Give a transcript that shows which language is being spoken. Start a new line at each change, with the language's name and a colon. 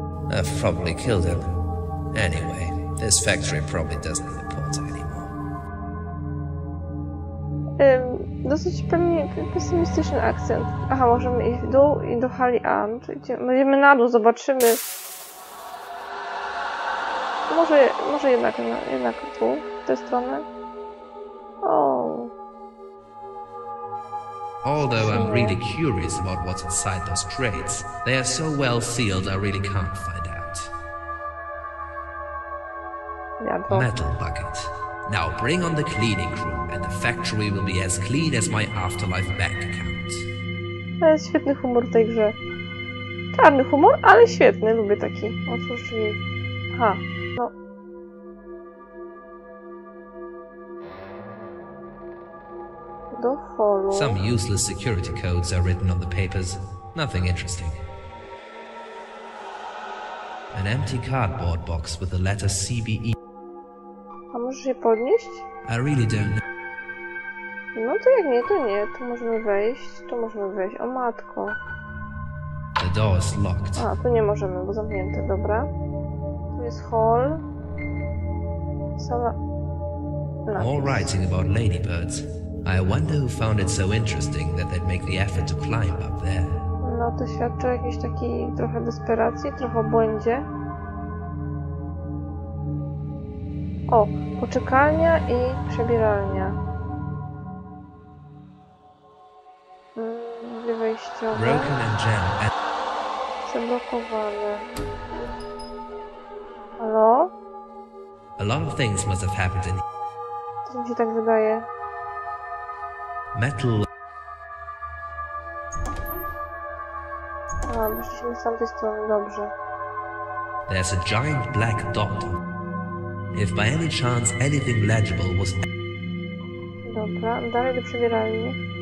English: I've probably killed him. Anyway, this factory probably doesn't report anymore.
Polish: Dosyć pewnie pesymistyczny akcent. Aha, możemy iść w dół i do hali A. Będziemy na dół, zobaczymy. Może jednak tu, w tę stronę. O.
English: Although I'm really curious about what's inside those crates, they are so well sealed I really can't find out.
Polish: Jadło.
English: Metal bucket. Now bring on the cleaning crew and the factory will be as clean as my afterlife bank account.
Polish: To jest świetny humor w tej grze. Czarny humor, ale świetny, lubię taki. Otóż i... Ha. No.
English: Some useless security codes are written on the papers. Nothing interesting. An empty cardboard box with the letter CBE.
Polish: A możesz się podnieść?
English: I really don't know.
Polish: No to jak nie, to nie. To możemy wejść. To możemy wejść. O matko.
English: The door is locked.
Polish: A, tu nie możemy, bo zamknięte. Dobra. Tu jest hall. Sala. Napis.
English: All writing about ladybirds. I wonder who found it so interesting that they'd make the effort to climb up there.
Polish: No to świadczy o jakiejś takiej trochę desperacji, trochę błędzie. O, poczekalnia i przebieralnia. Dwie wejściowe. Zablokowane. Halo?
English: A lot of things must have happened in...
Polish: To mi się tak wydaje. Metal. A, musimy z tamtej strony, dobrze.
English: There's a giant black dot. If by any chance anything legible was...
Polish: Dobra, dalej do przebierania.